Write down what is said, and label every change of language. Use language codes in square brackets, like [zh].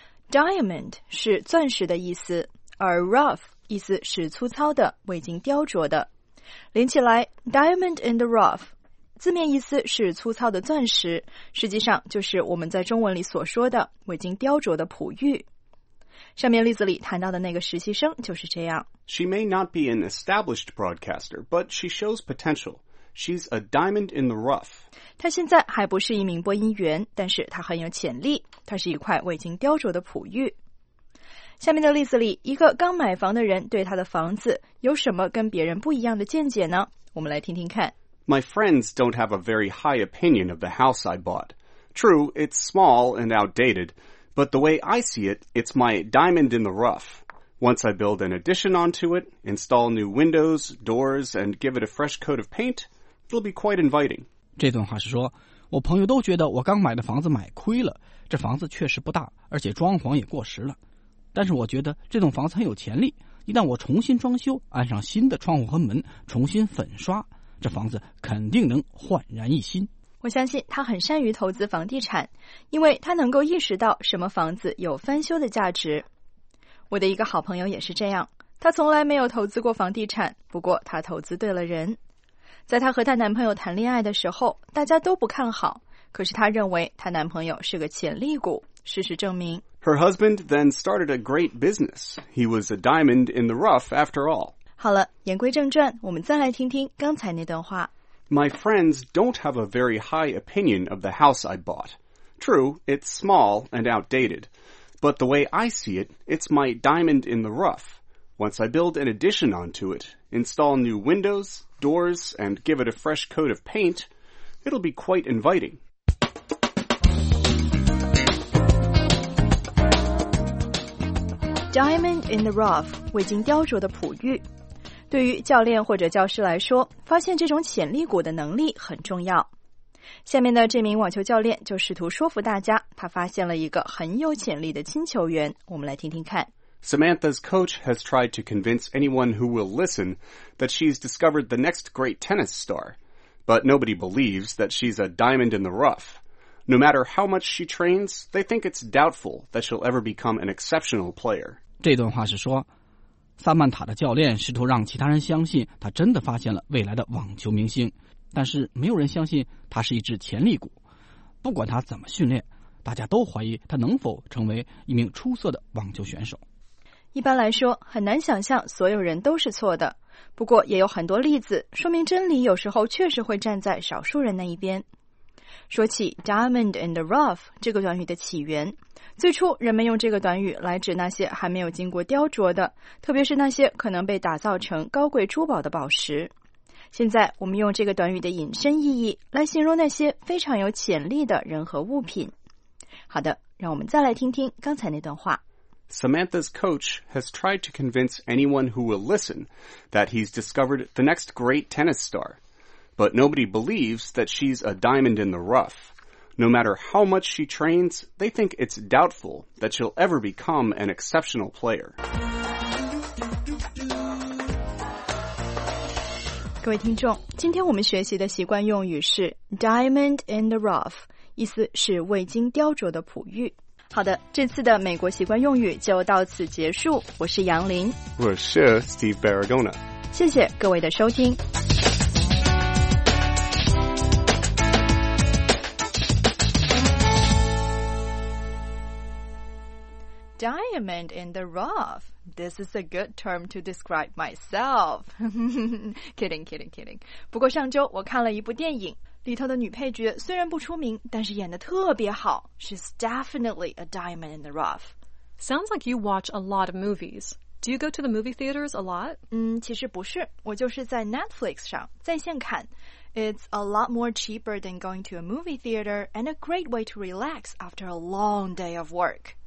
[zh] Diamond 是钻石的意思，而 rough 意思是粗糙的，未经雕琢的。连起来 [en] Diamond in the rough. [zh] 字面意思是粗糙的钻石，实际上就是我们在中文里所说的未经雕琢的璞玉。上面例子里谈到的那个实习生就是这样。 [en] She may not be an established broadcaster, but she shows potential. She's a diamond in the rough. [zh] 她现在还不是一名播音员，但是她很有潜力，她是一块未经雕琢的璞玉。下面的例子里，一个刚买房的人对他的房子有什么跟别人不一样的见解呢？我们来听听看。 [en] My friends don't have a very high opinion of the house I bought. True, it's small and outdated, but the way I see it, it's my diamond in the rough. Once I build an addition onto it, install new windows, doors, and give it a fresh coat of paint, it'll be quite inviting. [zh] 这段话是说，我朋友都觉得我刚买的房子买亏了，这房子确实不大，而且装潢也过时了。但是我觉得这栋房子很有潜力，一旦我重新装修，安上新的窗户和门，重新粉刷，这房子肯定能焕然一新。我相信他很善于投资房地产，因为他能够意识到什么房子有翻修的价值。我的一个好朋友也是这样，他从来没有投资过房地产，不过他投资对了人。在他和他男朋友谈恋爱的时候，大家都不看好，可是他认为他男朋友是个潜力股，事实证明。 [en] Her husband then started a great business. He was a diamond in the rough after all. [zh] 好了，言归正传，我们再来听听刚才那段话。 [en] My friends don't have a very high opinion of the house I bought. True, it's small and outdated. But the way I see it, it's my diamond in the rough. Once I build an addition onto it, install new windows, doors, and give it a fresh coat of paint, it'll be quite inviting. Diamond in the rough, [zh] 未经雕琢的璞玉。对于教练或者教师来说，发现这种潜力股的能力很重要。下面的这名网球教练就试图说服大家，他发现了一个很有潜力的新球员。我们来听听看。 [en] Samantha's coach has tried to convince anyone who will listen that she's discovered the next great tennis star. But nobody believes that she's a diamond in the rough. No matter how much she trains, they think it's doubtful that she'll ever become an exceptional player. [zh] 这段话是说，萨曼塔的教练试图让其他人相信他真的发现了未来的网球明星，但是没有人相信他是一只潜力股。不管他怎么训练，大家都怀疑他能否成为一名出色的网球选手。一般来说，很难想象所有人都是错的，不过也有很多例子说明真理有时候确实会站在少数人那一边。说起 [en] diamond in the rough [zh] 这个短语的起源，最初人们用这个短语来指那些还没有经过雕琢的，特别是那些可能被打造成高贵珠宝的宝石。现在我们用这个短语的引申意义来形容那些非常有潜力的人和物品。好的，让我们再来听听刚才那段话。 [en] Samantha's coach has tried to convince anyone who will listen that he's discovered the next great tennis star. But nobody believes that she's a diamond in the rough. No matter how much she trains, they think it's doubtful that she'll ever become an exceptional player. [zh] 各位听众，今天我们学习的习惯用语是 [en] diamond in the rough, [zh] 意思是未经雕琢的璞玉。好的，这次的美国习惯用语就到此结束。我是杨林，我是 Steve Barragona。谢谢各位的收听。 [en] Diamond in the rough. This is a good term to describe myself. kidding. [zh] 不过上周我看了一部电影，里头的女配角虽然不出名，但是演得特别好。 [en] She's definitely a diamond in the rough. Sounds like you watch a lot of movies. Do you go to the movie theaters a lot? [zh] 其实不是，我就是在 Netflix 上在线看。 [en] It's a lot more cheaper than going to a movie theater and a great way to relax after a long day of work.